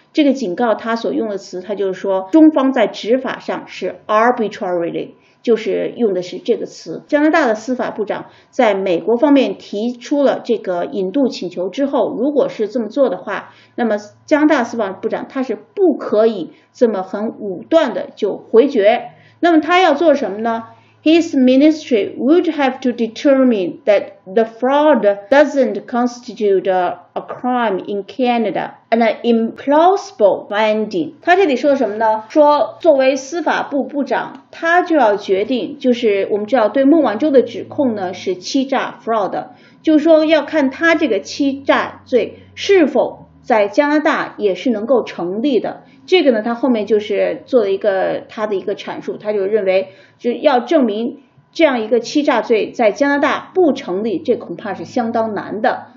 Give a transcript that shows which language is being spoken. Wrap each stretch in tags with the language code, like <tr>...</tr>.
<zh>这个警告他所用的词，他就是说中方在执法上是 arbitrarily，就是用的是这个词。加拿大的司法部长在美国方面提出了这个引渡请求之后，如果是这么做的话，那么加拿大司法部长他是不可以这么很武断的就回绝。那么他要做什么呢？</zh> <en>His ministry would have to determine that the fraud doesn't constitute a crime in Canada, an implausible finding.</en> <zh>他这里说什么呢？说作为司法部部长，他就要决定，就是我们知道对孟晚舟的指控呢是欺诈 fraud， 就是说要看他这个欺诈罪是否在加拿大也是能够成立的。这个呢他后面就是做了一个他的一个阐述，他就认为就要证明这样一个欺诈罪在加拿大不成立，这恐怕是相当难的。</zh>